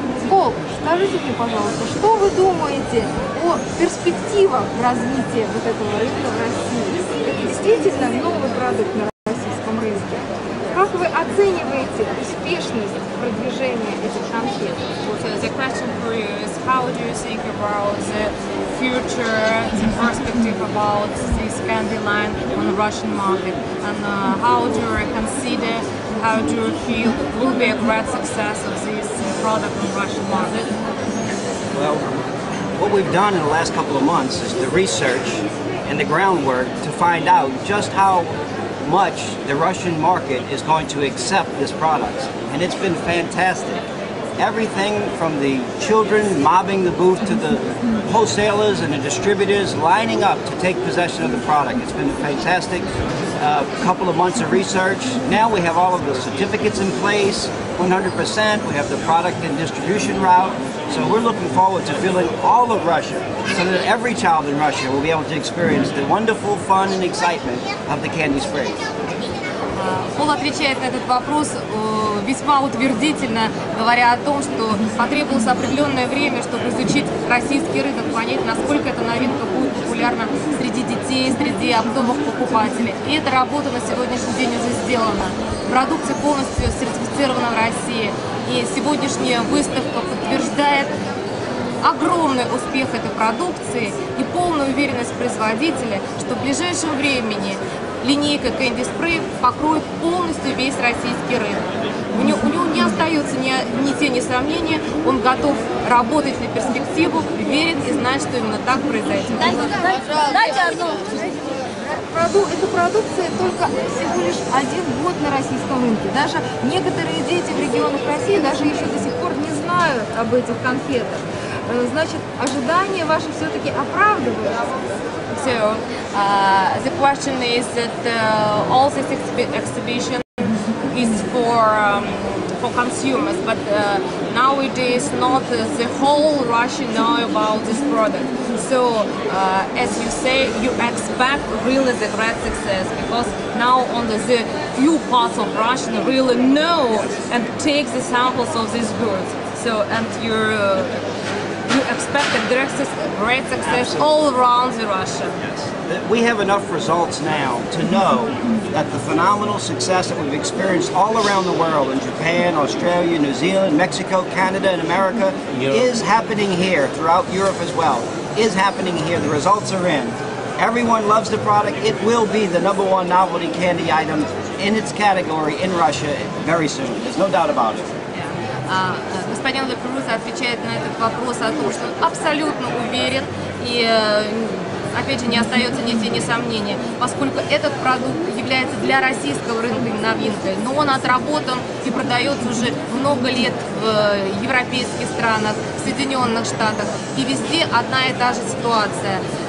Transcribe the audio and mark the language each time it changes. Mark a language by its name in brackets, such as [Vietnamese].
[Russian] Пол, скажите мне, пожалуйста, что вы думаете о перспективах развития вот этого рынка в России? Это действительно новый продукт на российском рынке. Как вы оцениваете успешность продвижения этих конфет? [English] The question for you is, how do you think about the future, the perspective about this candy line on the Russian market, and how do you consider, how do you feel will be a great success of this product on the Russian market? Well, what we've done in the last couple of months is the research and the groundwork to find out just how much the Russian market is going to accept this product, and it's been fantastic. Everything from the children mobbing the booth to the wholesalers and the distributors lining up to take possession of the product. It's been a fantastic couple of months of research. Now we have all of the certificates in place, 100%. We have the product and distribution route. So we're looking forward to filling all of Russia so that every child in Russia will be able to experience the wonderful fun and excitement of the candy spray. [Russian] Пол отвечает на этот вопрос весьма утвердительно, говоря о том, что потребовалось определенное время, чтобы изучить российский рынок, понять, насколько эта новинка будет популярна среди детей, среди оптовых покупателей. И эта работа на сегодняшний день уже сделана. Продукция полностью сертифицирована в России. И сегодняшняя выставка подтверждает огромный успех этой продукции и полную уверенность производителя, что в ближайшем времени линейка Candy Spray покроет полностью весь российский рынок. У него не остается ни тени сомнения, он готов работать на перспективу, верит и знает, что именно так произойдет. Эта продукция только всего лишь один год на российском рынке. Даже некоторые дети в регионах России даже еще до сих пор не знают об этих конфетах. Значит, ожидания ваши все-таки оправдываются. [English] So, the question is that all this exhibition is for consumers, but nowadays not the whole Russia know about this product. So, as you say, you expect really the great success, because now only the few parts of Russia really know and take the samples of these goods. So, and you expect a great success all around the Russia. Yes. We have enough results now to know that the phenomenal success that we've experienced all around the world, in Japan, Australia, New Zealand, Mexico, Canada, and America, is happening here throughout Europe as well. Is happening here. The results are in. Everyone loves the product. It will be the number one novelty candy item in its category in Russia very soon. There's no doubt about it. [Russian] Господин Лаперуза отвечает на этот вопрос о том, что он абсолютно уверен и, опять же, не остается ни тени сомнения, поскольку этот продукт является для российского рынка новинкой, но он отработан и продается уже много лет в европейских странах, в Соединенных Штатах, и везде одна и та же ситуация.